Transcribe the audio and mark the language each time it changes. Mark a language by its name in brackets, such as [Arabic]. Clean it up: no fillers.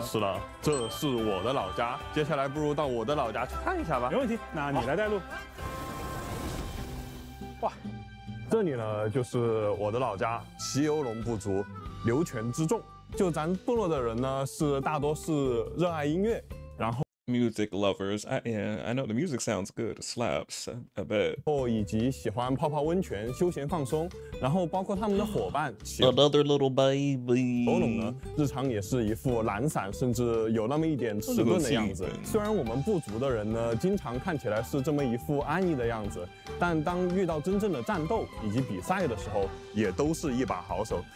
[Chinese] 是的，这是我的老家，接下来不如到我的老家去看一下吧。没问题，那你来带路。哇，这里呢就是我的老家齐游龙部族流泉之众。就咱部落的人呢是大多是热爱音乐，然后 [English] Music lovers, I know the music sounds good, slaps a bit. [Chinese] 以及喜欢泡泡温泉休闲放松，然后包括他们的伙伴 [English] Another little baby. [Chinese] 欧龙呢日常也是一副懒散甚至有那么一点迟钝的样子，虽然我们部族的人呢经常看起来是这么一副安逸的样子，但当遇到真正的战斗以及比赛的时候也都是一把好手。